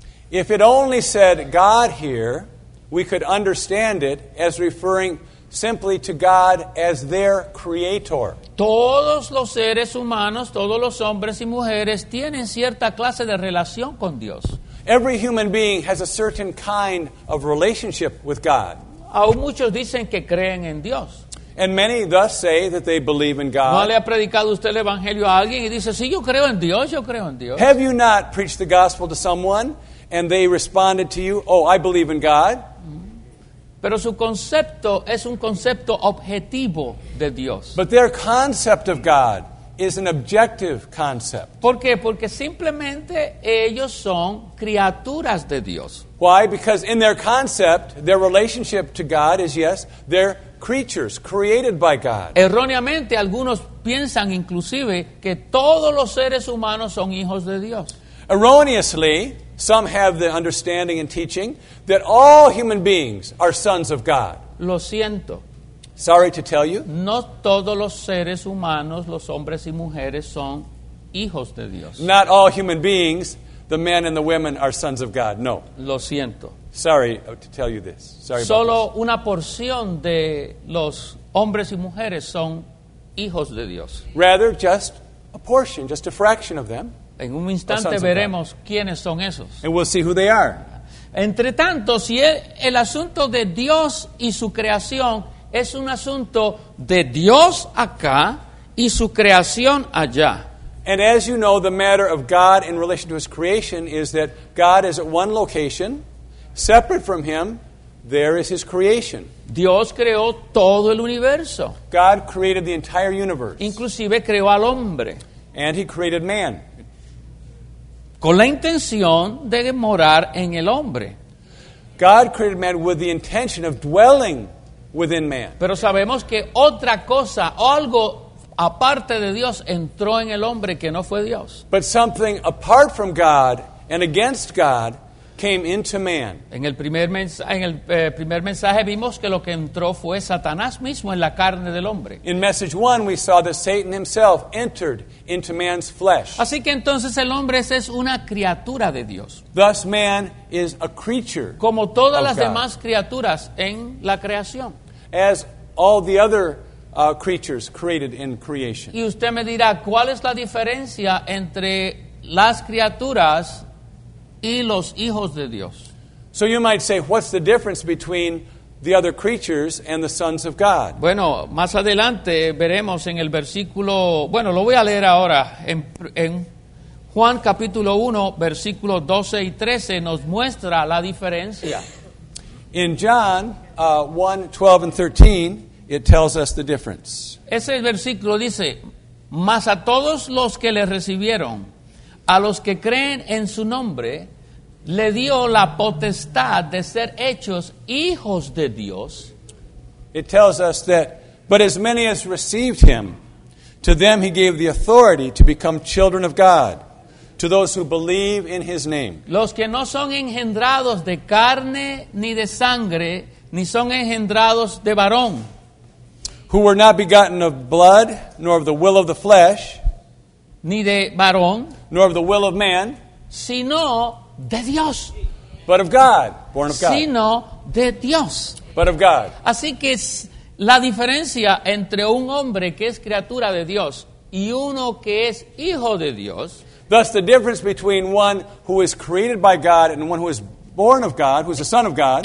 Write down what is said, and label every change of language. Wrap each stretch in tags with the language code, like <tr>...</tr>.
<en>If it only said God here, we could understand it as referring simply to God as their creator.</en> <es>Todos los seres humanos, todos los hombres y mujeres, tienen cierta clase de relación con Dios.</es> <en>Every human being has a certain kind of relationship with God.</en> <es>Aún muchos dicen que creen en Dios.</es> <en>And many thus say that they believe in God.</en> <es>¿No le ha predicado usted el evangelio a alguien y dice, sí, yo creo en Dios, yo creo en Dios?</es> <en>Have you not preached the gospel to someone? And they responded to you, oh, I believe in God.</en> <es>Pero su concepto es un concepto objetivo de Dios.</es> <en>But their concept of God is an objective concept.</en> <es>¿Por qué? Porque simplemente ellos son criaturas de Dios.</es> <en>Why? Because in their concept, their relationship to God is, yes, they're creatures created by God.</en> <es>Erróneamente, algunos piensan inclusive que todos los seres humanos son hijos de Dios.</es> <en>Erroneously, some have the understanding and teaching that all human beings are sons of God.</en> <es>Lo siento.</es> <en>Sorry to tell you.</en> <es>No todos los seres humanos, los hombres y mujeres, son hijos de Dios.</es> <en>Not all human beings, the men and the women, are sons of God.</en> <es>No. Lo siento.</es> <en>Sorry to tell you this. Sorry</en> <es>Solo</es> <en>about this.</en> <es>Una porción de los hombres y mujeres son hijos de Dios.</es> <en>Rather, just a portion, just a fraction of them.</en> <es>En un instante veremos quiénes son esos.</es> <en>And we'll see who they are.</en> <es>Entre tanto, si el asunto de Dios y su creación es un asunto de Dios acá y su creación allá.</es> <en>And as you know, the matter of God in relation to his creation is that God is at one location, separate from him, there is his creation.</en> <es>Dios creó todo el universo.</es> <en>God created the entire universe.</en> <es>Inclusive creó al hombre.</es> <en>And he created man.</en> <es>Con la intención de morar en el hombre.</es> <en>God created man with the intention of dwelling within man.</en> <es>Pero sabemos que otra cosa, algo aparte de Dios entró en el hombre que no fue Dios.</es> <en>But something apart from God and against God came into man.</en> <es>En el primer mensaje vimos que lo que entró fue Satanás mismo en la carne del hombre.</es> <en>In message one we saw that Satan himself entered into man's flesh.</en> <es>Así que entonces el hombre es una criatura de Dios.</es> <en>Thus man is a creature.</en> <es>Como todas las demás criaturas en la creación.</es> <en>As all the other creatures created in creation.</en> <es>Y usted me dirá, ¿cuál es la diferencia entre las criaturas y los hijos de Dios?</es> <en>So you might say, what's the difference between the other creatures and the sons of God?</en> <es>Bueno, más adelante veremos en el versículo, bueno, lo voy a leer ahora, en Juan capítulo 1, versículos 12 y 13, nos muestra la diferencia.</es> <en>In John 1, 12 and 13, it tells us the difference.</en> <es>Ese versículo dice, mas a todos los que le recibieron, a los que creen en su nombre, le dio la potestad de ser hechos hijos de Dios.</es> <en>It tells us that, but as many as received him, to them he gave the authority to become children of God, to those who believe in his name.</en> <es>Los que no son engendrados de carne ni de sangre, ni son engendrados de varón.</es> <en>Who were not begotten of blood, nor of the will of the flesh,</en> <es>ni de varón,</es> <en>nor of the will of man,</en> <es>sino de Dios.</es> <en>But of God, born of God.</en> <es>Sino de Dios.</es> <en>But of God.</en> <es>Así que es la diferencia entre un hombre que es criatura de Dios y uno que es hijo de Dios.</es> <en>Thus the difference between one who is created by God and one who is born of God, who is the son of God.</en>